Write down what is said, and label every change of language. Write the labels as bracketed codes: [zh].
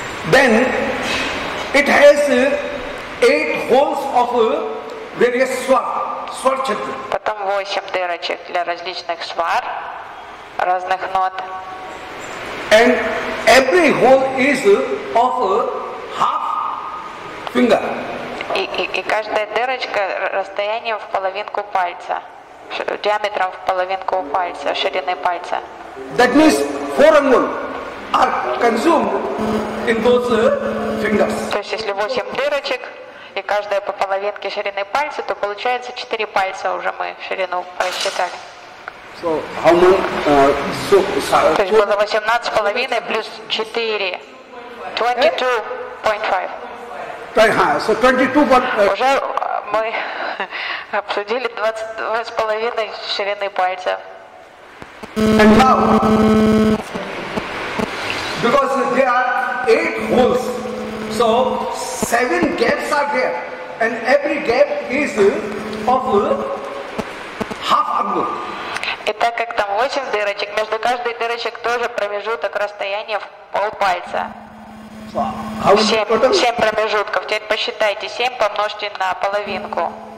[en] Then it has 8 holes of various swar chatra. [ru] Потом 8 дырочек для различных свар, разных нот. [en] And every hole is of a half finger. [ru] И каждая дырочка расстоянием в половинку пальца, диаметром в половинку пальца, шириной пальца. [en] That means 4 angles are consumed in those fingers. [ru] То есть если 8 дырочек и каждая по половинке ширины пальца, то получается 4 пальца уже мы ширину просчитали. [en] So how many? [ru] То есть было 18.5 плюс 4. 22.5. [en] So 22. [ru] Уже мы обсудили 22.5 ширины пальца. [en] And now, because there are 8 holes, so 7 gaps are there, and every gap is of half angle. [ru] И так как там 8 дырочек, между каждой дырочек тоже промежуток расстояния в полпальца. 7 промежутков. Теперь посчитайте, 7 помножьте на половинку.